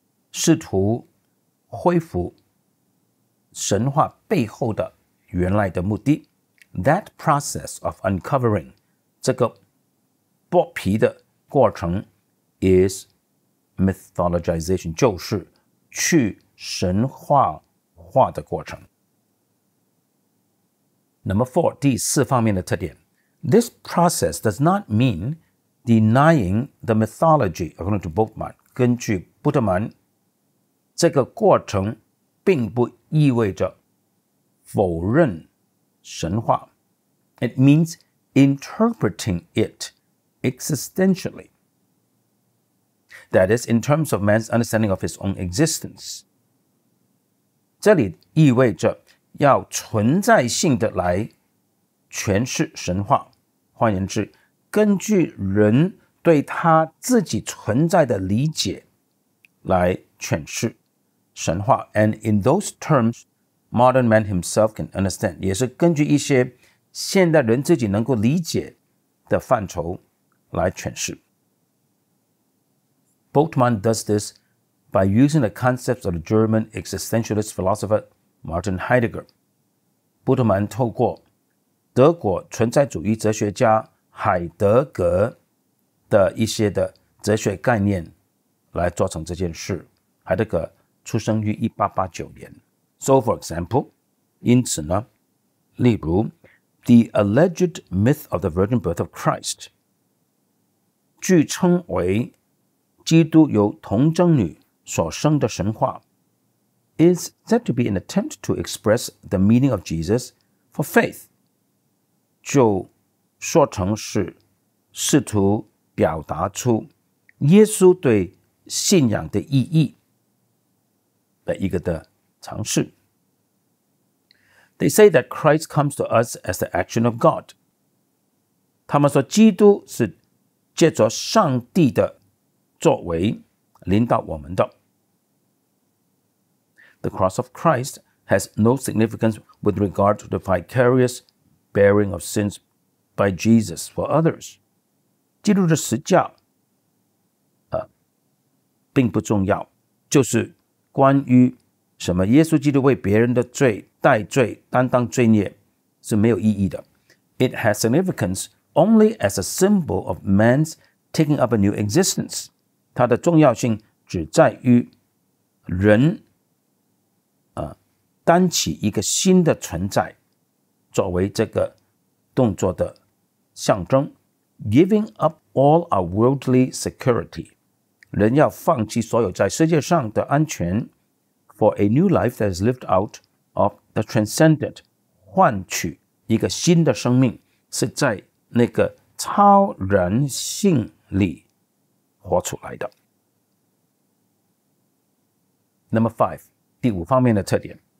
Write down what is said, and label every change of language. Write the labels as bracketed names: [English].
[Chinese] 试图恢复神话背后的原来的目的 [English] That process of uncovering [Chinese] 这个剥皮的过程 [English] is mythologization [Chinese] 就是去神话化的过程。 [English] Number four, [Chinese] 第四方面的特点。 [English] This process does not mean denying the mythology according to Bultmann. [Chinese] 根据布特曼，这个过程并不意味着否认神话。 [English] It means interpreting it existentially. That is, in terms of man's understanding of his own existence. [Chinese] 这里意味着要存在性的来诠释神话。换言之，根据人对他自己存在的理解来诠释神话。 [English] And in those terms, modern man himself can understand. [Chinese] 也是根据一些现代人自己能够理解的范畴来诠释。 [English] Bultmann does this by using the concepts of the German existentialist philosopher Martin Heidegger. [Chinese] 布特曼透过德国存在主义哲学家海德格的一些的哲学概念来做成这件事。海德格出生于1889年。 [English] So for example, [Chinese] 因此呢，例如 [English] The alleged myth of the virgin birth of Christ, [Chinese] 据称为基督由童贞女所生的神话 [English] is said to be an attempt to express the meaning of Jesus for faith, [Chinese] 就说成是试图表达出耶稣对信仰的意义的一个的尝试。 [English] They say that Christ comes to us as the action of God. [Chinese] 他们说基督是借着上帝的作为临到我们的。 [English] The cross of Christ has no significance with regard to the vicarious bearing of sins by Jesus for others. [Chinese] 基督的十字架并不重要，就是关于什么耶稣基督为别人的罪代罪担当罪孽是没有意义的。 [English] It has significance only as a symbol of man's taking up a new existence. [Chinese] 它的重要性只在于人担起一个新的存在作为这个动作的象征。 [English] Giving up all our worldly security, [Chinese] 人要放弃所有在世界上的安全 [English] for a new life that is lived out of the transcendent, [Chinese] 换取一个新的生命是在那个超人性里活出来的。 [English] Number five, [Chinese] 第五方面的特点。